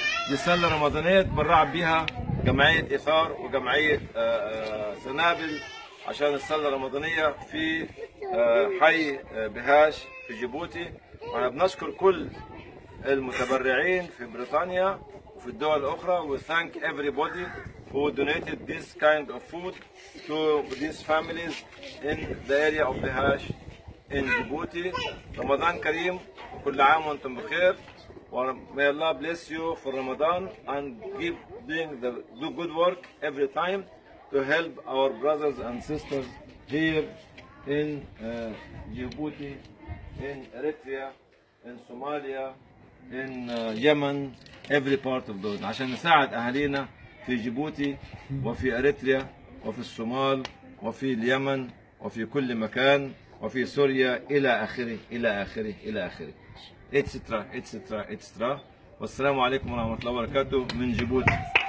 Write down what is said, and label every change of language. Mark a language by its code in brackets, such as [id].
[ar] دي سلة رمضانية تبرع بها جمعية إيثار وجمعية سنابل عشان السلة الرمضانية في حي بهاش في جيبوتي. وأنا بنشكر كل المتبرعين في بريطانيا وفي الدول الأخرى. [en] We thank everybody who donated this kind of food to these families in the area of بهاش in Djibouti. [ar] رمضان كريم وكل عام وأنتم بخير. [en] May Allah bless you for Ramadan and keep doing the do good work every time to help our brothers and sisters here in Djibouti, in Eritrea, in Somalia, in Yemen, every part of the world. [ar] عشان نساعد أهلينا في جيبوتي وفي أريتريا وفي الصومال وفي اليمن وفي كل مكان وفي سوريا إلى آخره إلى آخره إلى آخره. اتسترا اتسترا اتسترا. والسلام عليكم ورحمة الله وبركاته من جيبوتي.